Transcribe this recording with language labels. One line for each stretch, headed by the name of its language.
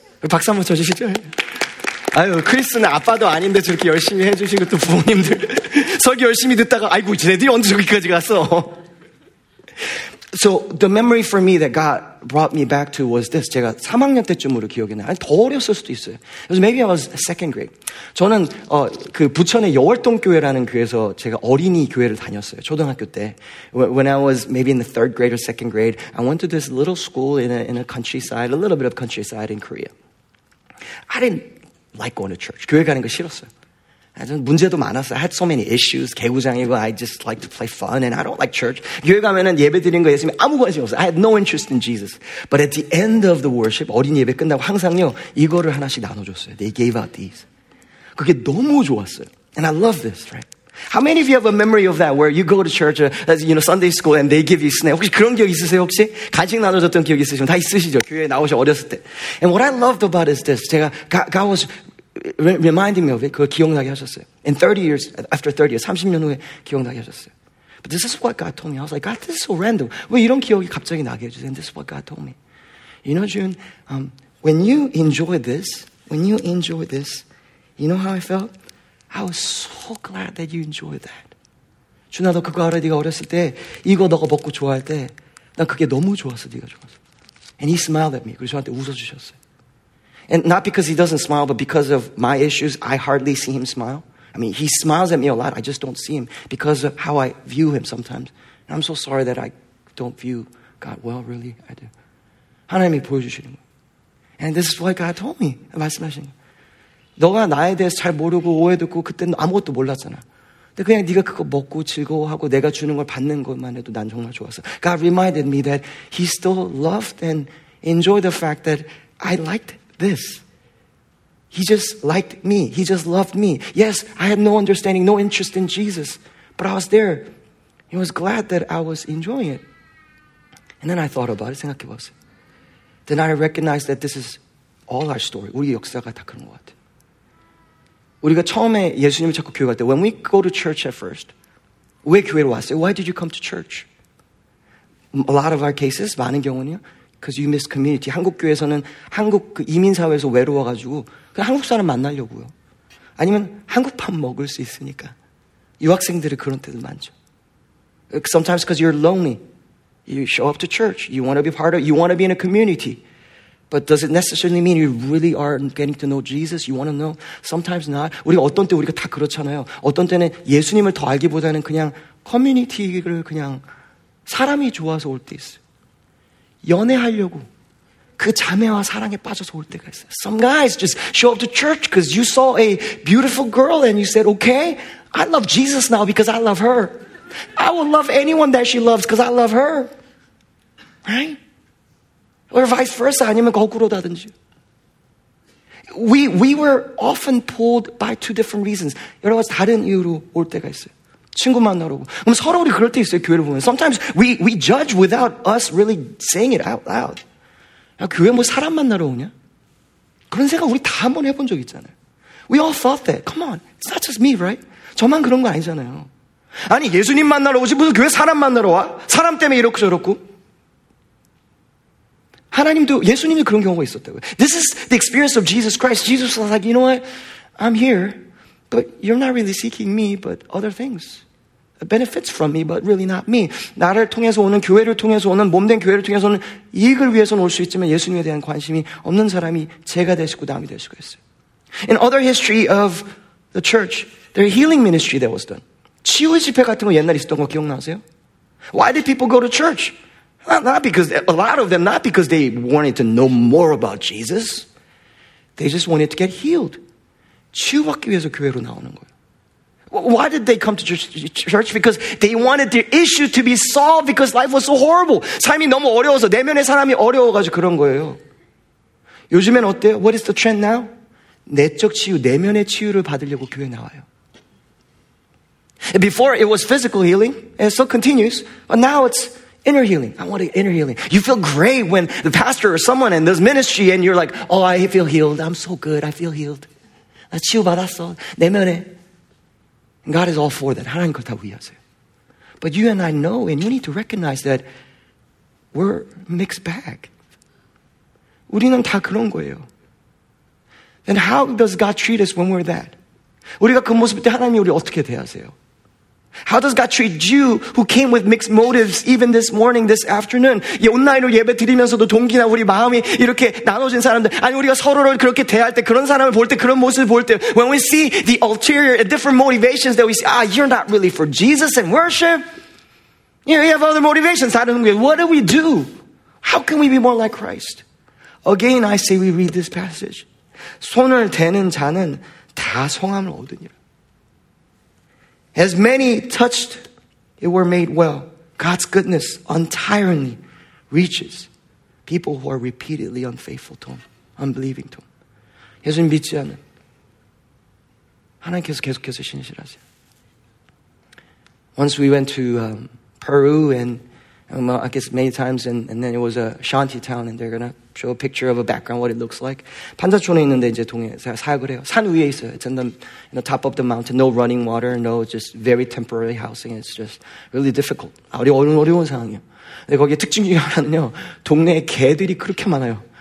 Korean: 박수 한번 쳐주시죠. 아유, 크리스는 아빠도 아닌데 저렇게 열심히 해주신 것도 부모님들. 설교 열심히 듣다가, 아이고, 쟤들이 언제 저기까지 갔어?
English: So the memory for me that God brought me back to was this.
Korean: 제가 3학년 때쯤으로 기억이 나요. 더 어렸을 수도 있어요.
English: Because maybe I was second grade.
Korean: 저는 그 부천의 여월동 교회라는 교회에서 제가 어린이 교회를 다녔어요. 초등학교 때.
English: When I was maybe in the third grade or second grade, I went to this little school in a countryside, a little bit of countryside in Korea. I didn't like going to church.
Korean: 교회 가는 거 싫었어요. 문제도 많았어요.
English: I had so many issues.
Korean: 개구장이고,
English: I just like to play fun and I don't like church.
Korean: 교회 가면은 예배 드리는 거 예수님 아무 관심 없어요.
English: I had no interest in Jesus. But at the end of the worship,
Korean: 어린 예배 끝나고 항상요, 이거를 하나씩 나눠줬어요.
English: They gave out these.
Korean: 그게 너무 좋았어요.
English: And I love this, right? How many of you have a memory of that where you go to church, you know, Sunday school and they give you snack?
Korean: 혹시 그런 기억 있으세요? 혹시? 간식 나눠줬던 기억 있으시면 다 있으시죠? 교회에 나오셔, 어렸을 때.
English: And what I loved about is this.
Korean: 제가,
English: God was, reminding me of it,
Korean: 그걸 기억나게 하셨어요.
English: In 30 years, after 30 years,
Korean: 30년 후에 기억나게 하셨어요.
English: But this is what God told me. I was like, God, this is so random.
Korean: 왜 이런 기억이 갑자기 나게 해주세요?
English: And this is what God told me. You know, June, when you enjoy this, you know how I felt? I was so glad that you enjoyed that.
Korean: 준아, 너 그거 알아? 네가 어렸을 때, 이거 너가 먹고 좋아할 때, 난 그게 너무 좋았어, 네가 좋아서.
English: And he smiled at me.
Korean: 그리고 저한테 웃어주셨어요.
English: And not because he doesn't smile, but because of my issues, I hardly see him smile. I mean, he smiles at me a lot. I just don't see him because of how I view him sometimes. And I'm so sorry that I don't view God well, really. I do.
Korean: 하나님이 보여주시는 거예요.
English: And this is what God told me.
Korean: 말씀하신 거예요. 너가 나에 대해서 잘 모르고 오해도 있고 그때는 아무것도 몰랐잖아. 근데 그냥 네가 그거 먹고 즐거워하고 내가 주는 걸 받는 것만 해도 난 정말 좋았어.
English: God reminded me that he still loved and enjoyed the fact that I liked it. This. He just liked me. He just loved me. Yes, I had no understanding, no interest in Jesus. But I was there. He was glad that I was enjoying it. And then I thought about it.
Korean: 생각해 봤어요.
English: Then I recognized that this is all our story.
Korean: 우리 역사가 다 그런 것 같아요. 우리가 처음에 예수님을 찾고 교회 갈 때,
English: when we go to church at first,
Korean: 왜 교회로 왔어요?
English: Why did you come to church? A lot of our cases,
Korean: 많은 경우는요.
English: Because you miss community.
Korean: 한국 교회에서는 한국 그 이민사회에서 외로워가지고 그냥 한국 사람 만나려고요. 아니면 한국밥 먹을 수 있으니까. 유학생들이 그런 때도 많죠.
English: Sometimes because you're lonely. You show up to church. You want to be part of, you want to be in a community. But does it necessarily mean you really are getting to know Jesus? You want to know? Sometimes not.
Korean: 우리가 어떤 때 우리가 다 그렇잖아요. 어떤 때는 예수님을 더 알기보다는 그냥 커뮤니티를 그냥 사람이 좋아서 올 때 있어요. 연애하려고 그 자매와 사랑에 빠져서 올 때가 있어요.
English: Some guys just show up to church because you saw a beautiful girl and you said, okay, I love Jesus now because I love her. I will love anyone that she loves because I love her. Right? Or vice versa,
Korean: 아니면 거꾸로다든지.
English: We were often pulled by two different reasons.
Korean: 여러 가지 다른 이유로 올 때가 있어요. 친구 만나러 오고. 그럼 서로 우리 그럴 때 있어요, 교회를 보면.
English: Sometimes we judge without us really saying it out loud.
Korean: 야, 교회 뭐 사람 만나러 오냐? 그런 생각 우리 다 한번 해본 적 있잖아요.
English: We all thought that. Come on. It's not just me, right?
Korean: 저만 그런 거 아니잖아요. 아니, 예수님 만나러 오지. 무슨 교회 사람 만나러 와? 사람 때문에 이렇고 저렇고. 하나님도, 예수님도 그런 경우가 있었다고요.
English: This is the experience of Jesus Christ. Jesus was like, you know what? I'm here, but you're not really seeking me, but other things. Benefits from me, but really not me.
Korean: 나를 통해서 오는, 교회를 통해서 오는, 몸된 교회를 통해서 오는 이익을 위해서 올 수 있지만 예수님에 대한 관심이 없는 사람이 제가 될 수고 남이 될 수가 있어요.
English: In other history of the church, there's a healing ministry that was done.
Korean: 치유의 집회 같은 거 옛날에 있었던 거 기억나세요?
English: Why did people go to church? Not because, a lot of them, not because they wanted to know more about Jesus. They just wanted to get healed.
Korean: 치유받기 위해서 교회로 나오는 거예요.
English: Why did they come to church? Because they wanted their issue to be solved because life was so horrible.
Korean: 삶이 너무 어려워서, 내면의 사람이 어려워가지고 그런 거예요. 요즘엔 어때요?
English: What is the trend now?
Korean: 내적 치유, 내면의 치유를 받으려고 교회 나와요.
English: Before it was physical healing, and it still continues, but now it's inner healing. I want inner healing. You feel great when the pastor or someone in this ministry and you're like, oh, I feel healed. I'm so good. I feel healed.
Korean: 나 치유 받았어. 내면에.
English: And God is all for that.
Korean: 하나님 그걸 다 위하세요.
English: But you and I know and you need to recognize that we're mixed bag.
Korean: 우리는 다 그런 거예요.
English: Then how does God treat us when we're that?
Korean: 우리가 그 모습일 때 하나님이 우리 어떻게 대하세요?
English: How does God treat you who came with mixed motives even this morning, this afternoon?
Korean: 예, 온라인으로 예배 드리면서도 동기나 우리 마음이 이렇게 나눠진 사람들, 아니 우리가 서로를 그렇게 대할 때, 그런 사람을 볼 때, 그런 모습을 볼 때,
English: when we see the ulterior different motivations that we see, ah, you're not really for Jesus and worship. You know, you have other motivations. What do we do? How can we be more like Christ? Again, I say we read this passage.
Korean: 손을 대는 자는 다 성함을 얻으니라.
English: As many touched, it were made well. God's goodness untiringly reaches people who are repeatedly unfaithful to Him, unbelieving to Him.
Korean: 예수님 믿지 않는 하나님께서 계속해서 신실 하세요.
English: Once we went to Peru and I guess many times and then it was a shanty town and they're gonna show a picture of a background, what it looks like.
Korean: 판자촌에 있는데 이제 동해 제가 사역을 해요. 산 위에 있어요.
English: It's in the top of the mountain. No running water, no just very temporary housing. It's just really difficult.
Korean: 아, 어려운 상황이에요. 근데 거기에 특징 중에 하나는요. 동네에 개들이 그렇게 많아요.